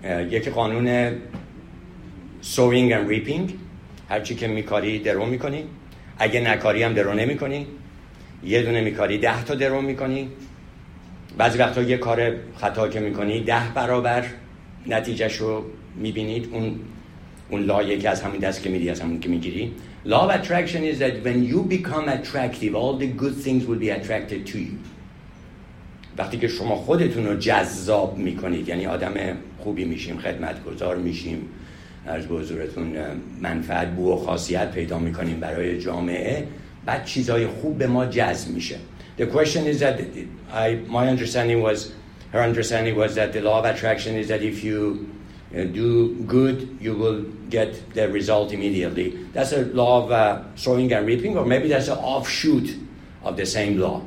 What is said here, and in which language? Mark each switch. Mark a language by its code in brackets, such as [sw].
[fa] یکی قانون sowing and reaping، هرچی که میکاری درو میکنی، اگه نکاری هم درو نمیکنی، یه دونه میکاری 10 تا درو میکنی، بعضی وقتا یه کار خطا که میکنی 10 برابر نتیجهش رو میبینید. اون لایه که از همین دست که میدی، از همون که میگیری. [en] Law of attraction is that when you become attractive, all the good things will be attracted to you. [fa] وقتی که شما خودتون رو جذاب میکنید، یعنی آدم خوبی میشیم، خدمتگزار میشیم، عرض به حضورتون منفعت، بو و خاصیت پیدا میکنیم برای جامعه، بعد چیزهای خوب به ما جذب میشه. [en] The question is that her understanding was that the law of attraction is that if you do good, you will get the result immediately. That's a law of sowing and reaping, or maybe that's an offshoot of the same law.